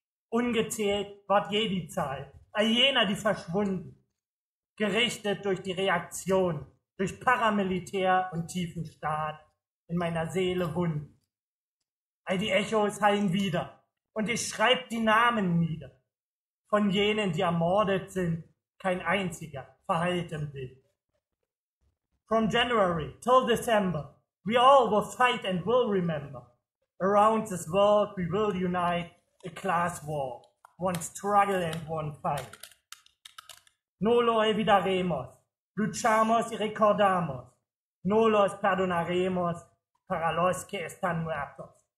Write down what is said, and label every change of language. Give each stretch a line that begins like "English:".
German: Ungezählt ward je die Zahl, all jener, die verschwunden, gerichtet durch die Reaktion, durch Paramilitär und tiefen Staat, in meiner Seele Wunden. All die Echos hallen wieder und ich schreib die Namen nieder. Von jenen, die ermordet sind, kein einziger verhalten will.
English: From January till December, we all will fight and will remember. Around this world we will unite, a class war, one struggle and one fight.
Spanish: No lo olvidaremos, luchamos y recordamos. No los perdonaremos para los que están muertos.